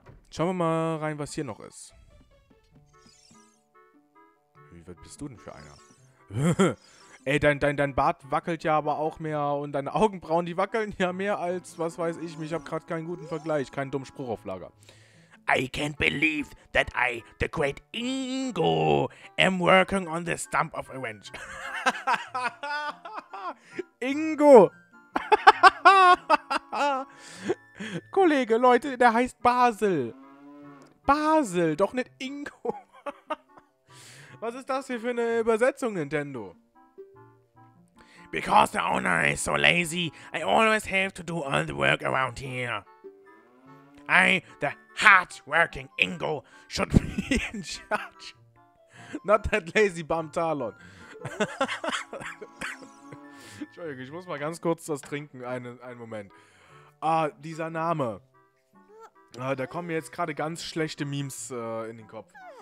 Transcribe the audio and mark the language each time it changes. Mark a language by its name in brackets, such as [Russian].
[German] Schauen wir mal rein, was hier noch ist. Wie weit bist du denn für einer? Ey, dein Bart wackelt ja aber auch mehr und deine Augenbrauen, die wackeln ja mehr als, was weiß ich, ich habe gerade keinen guten Vergleich, keinen dummen Spruch auf Lager. [English] I can't believe that I, the great Ingo, am working on the stump of revenge. Ingo! [German] Kollege, Leute, der heißt Basil. Basil, doch nicht Ingo. Was ist das hier für eine Übersetzung, Nintendo? [English] Because the owner is so lazy, I always have to do all the work around here. I, the hard-working Ingo, should be in charge. Not that lazy bum Talon. [German] Entschuldigung, ich muss mal ganz kurz das trinken, einen Moment. Ah, dieser Name. Ah, da kommen mir jetzt gerade ganz schlechte Memes in den Kopf.